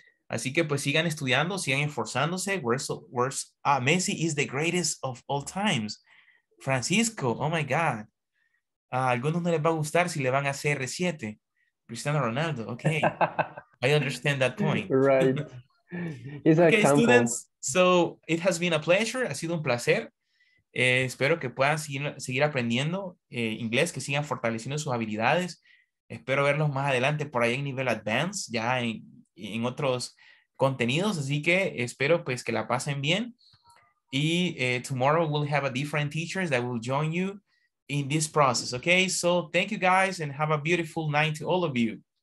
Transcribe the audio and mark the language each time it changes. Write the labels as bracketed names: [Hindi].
[Spanish] Así que pues sigan estudiando, sigan esforzándose. [English] Messi is the greatest of all times. [Spanish] Francisco, [English] oh my God. [Spanish] A algunos no les va a gustar si le van a CR7. [English] Cristiano Ronaldo, okay. I understand that point. Right. It's okay, a students, so it has been a pleasure. [Spanish] Ha sido un placer. Espero que puedan seguir aprendiendo inglés, que sigan fortaleciendo sus habilidades. Espero verlos más adelante por ahí en nivel advanced, ya en otros contenidos, así que espero pues que la pasen bien. [English] Y tomorrow we'll have a different teachers that will join you in this process, okay? So thank you guys and have a beautiful night to all of you.